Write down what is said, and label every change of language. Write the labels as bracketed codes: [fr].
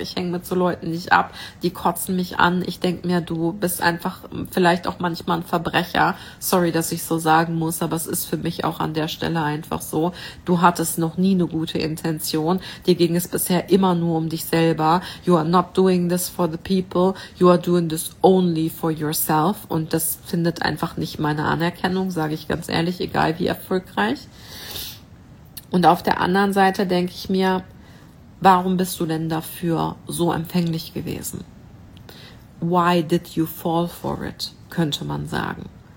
[de] Ich hänge mit so Leuten nicht ab. Die kotzen mich an. Ich denke mir, du bist einfach vielleicht auch manchmal ein Verbrecher. Sorry, dass ich so sagen muss, aber es ist für mich auch an der Stelle einfach so. Du hattest noch nie eine gute Intention. Dir ging es bisher immer nur um dich selber. [en] You are not doing this for the people. You are doing this only for yourself. [de] Und das findet einfach nicht meine Anerkennung, sage ich ganz ehrlich, egal wie erfolgreich. Und auf der anderen Seite denke ich mir, warum bist du denn dafür so empfänglich gewesen? [en] Why did you fall for it, [de] könnte man sagen.